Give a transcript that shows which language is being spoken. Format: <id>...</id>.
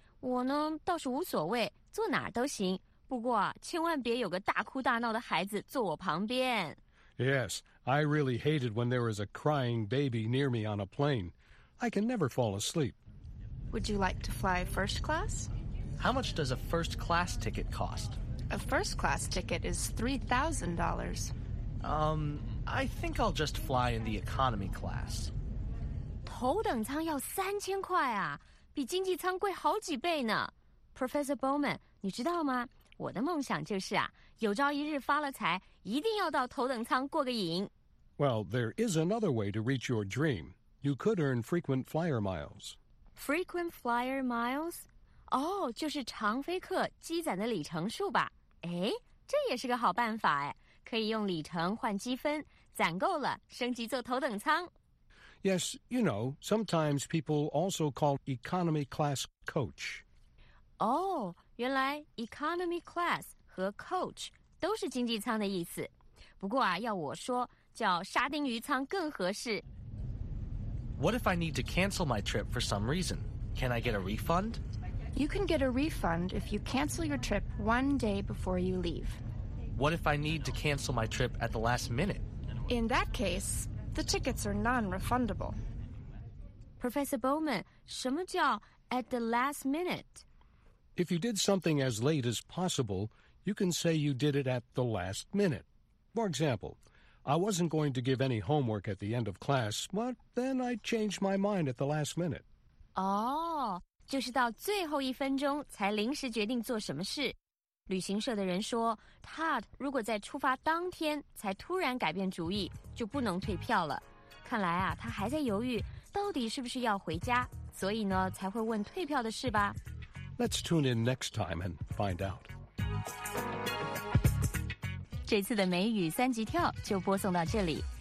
<zh>我呢倒是无所谓，坐哪儿都行，不过千万别有个大哭大闹的孩子坐我旁边。</zh> <en>Yes, I really hate it when there is a crying baby near me on a plane. I can never fall asleep. Would you like to fly first class? How much does a first class ticket cost? A first-class ticket is $3,000. I think I'll just fly in the economy class.</en> <zh>头等舱要3000块啊，比经济舱贵好几倍呢。 Professor Bowman, 你知道吗？我的梦想就是啊，有朝一日发了财，一定要到头等舱过个瘾。</zh> <en>Well, there is another way to reach your dream. You could earn frequent flyer miles. Frequent flyer miles?</en> <zh>哦，就是常飞客积攒的里程数吧。哎，这也是个好办法哎，可以用里程换积分，攒够了升级坐头等舱。</zh> <en>Yes, you know, sometimes people also call economy class coach.</en> <zh>哦，原来 economy class 和 coach 都是经济舱的意思。不过啊，要我说，叫沙丁鱼舱更合适。</zh> <en>What if I need to cancel my trip for some reason? Can I get a refund? You can get a refund if you cancel your trip one day before you leave. What if I need to cancel my trip at the last minute? In that case, the tickets are non-refundable. Professor Bowman,</en> <zh>什么叫</zh> <en>at the last minute? If you did something as late as possible, you can say you did it at the last minute. For example, I wasn't going to give any homework at the end of class, but then I changed my mind at the last minute. Oh.</en> <zh>就是到最后一分钟才临时决定做什么事。旅行社的人说 ，Todd 如果在出发当天才突然改变主意，就不能退票了。看来啊，他还在犹豫到底是不是要回家，所以呢才会问退票的事吧。</zh> <en>Let's tune in next time and find out.</en> <zh>这次的美语三级跳就播送到这里。</zh>